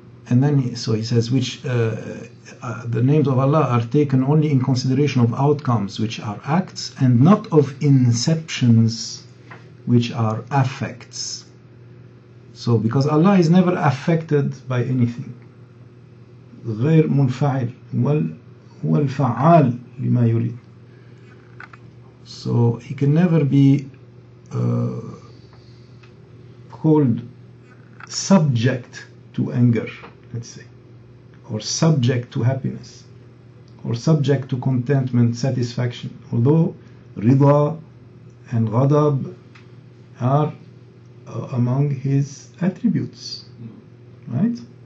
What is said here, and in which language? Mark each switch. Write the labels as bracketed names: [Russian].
[English] And then he says, the names of Allah are taken only in consideration of outcomes, which are acts, and not of inceptions, which are affects. So because Allah is never affected by anything. [Arabic] غير منفعل هو الفعال لما يريد. [English] So he can never be called subject to anger, let's say, or subject to happiness, or subject to contentment, satisfaction. Although rida and ghadab are among his attributes, right?